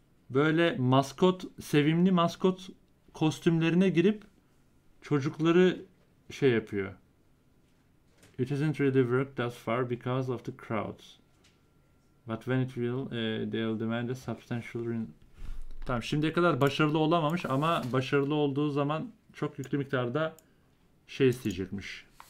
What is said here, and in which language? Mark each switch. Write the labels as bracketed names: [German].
[Turkish] Böyle maskot, sevimli maskot kostümlerine girip çocukları şey yapıyor. [English] It hasn't really worked thus far because of the crowds. But when it will, they'll demand a substantial reward. [Turkish] Tamam, şimdiye kadar başarılı olamamış ama başarılı olduğu zaman çok yüklü miktarda şey isteyecekmiş.